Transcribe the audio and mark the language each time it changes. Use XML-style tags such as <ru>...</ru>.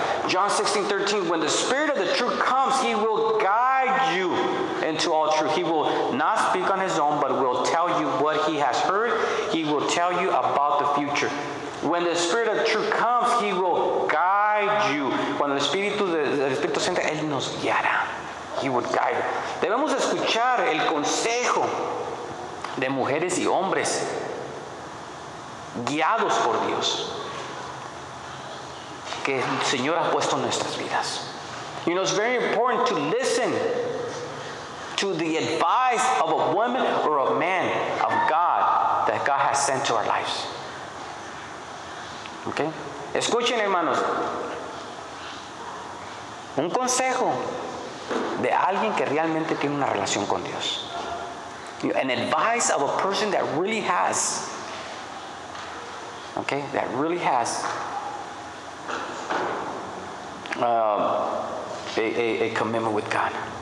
<en>John 16:13, when the Spirit of the truth comes, he will guide you into all truth. He will not speak on his own, but will tell you what he has heard. He will tell you about the future. When the Spirit of truth comes, he will guide you.</en> <es>Cuando el Espíritu Santo, él nos guiará.</es> <en>He will guide.</en> <es>Debemos escuchar el consejo de mujeres y hombres guiados por Dios, que el Señor ha puesto en nuestras vidas.</es> <en>You know, it's very important to listen to the advice of a woman or a man of God that God has sent to our lives. Okay?</en> <es>Escuchen, hermanos, un consejo de alguien que realmente tiene una relación con Dios.</es> <en>An advice of a person that really has Okay, that really has a commitment with God.</en>